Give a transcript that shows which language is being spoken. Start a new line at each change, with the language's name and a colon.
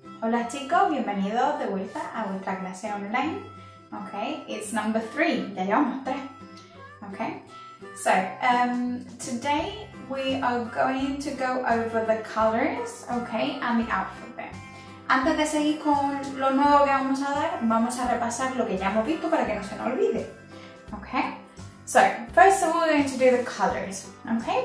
Spanish: Hola chicos, bienvenidos de vuelta a vuestra clase online.
English: Okay, it's number 3. Ya llevamos tres. Okay, so today we are going to go over the colors, okay, and the alphabet.
Spanish: Antes de seguir con lo nuevo que vamos a dar, vamos a repasar lo que ya hemos visto para que no se nos olvide.
English: Okay. So, first of all, we're going to do the colors, okay?